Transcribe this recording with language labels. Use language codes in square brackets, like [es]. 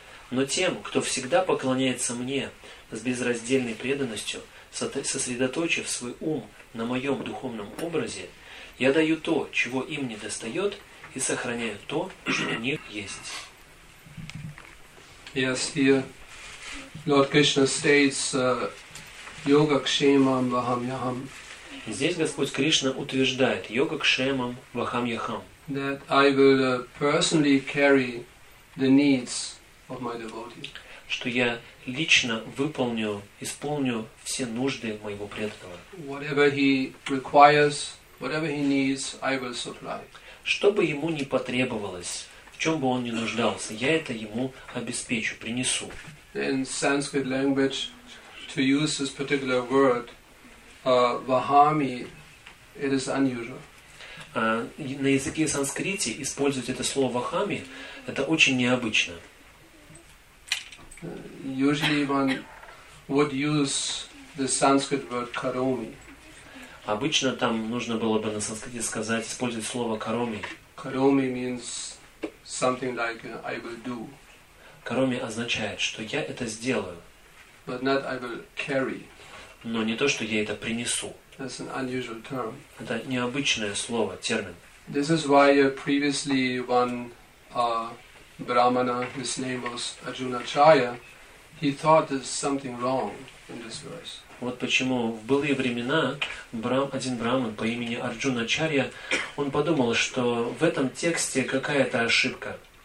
[ru] Но тем, кто всегда поклоняется мне с безраздельной преданностью, сосредоточив свой ум на моем духовном образе, я даю то, чего им не достает, и сохраняю то, что у них есть. [en] Yes, here Lord Krishna states [sa] yoga kshemam vaham yaham. [ru] Здесь Господь Кришна утверждает [sa] йога кшемам вахам яхам. [en] That I will personally carry the needs of my devotee. [ru] Что я лично выполню, исполню все нужды моего преданного. [en] Whatever he requires, whatever he needs, I will supply. [ru] Что бы ему ни потребовалось, в чем бы он ни нуждался, я это ему обеспечу, принесу. [en] In Sanskrit language, to use this particular word, vahami, it is unusual. [ru] На языке санскрите использовать это слово вахами, это очень необычно. [en] Usually one would use the Sanskrit word karomi. [ru] Обычно там нужно было бы на санскрите сказать, использовать слово karomi. [en] Karomi means something like I will do. [ru] Кароми означает, что я это сделаю. [en] But not I will carry. [ru] Но не то, что я это принесу. [en] That's an unusual term. [ru] Это необычное слово, термин. [en] This is why previously one brahmana, his name was Arjunacharya, he thought there's something wrong in this verse. [ru] Вот почему в былые времена один браман по имени Арджуна-ачарья, он подумал, что в этом тексте какая-то ошибка.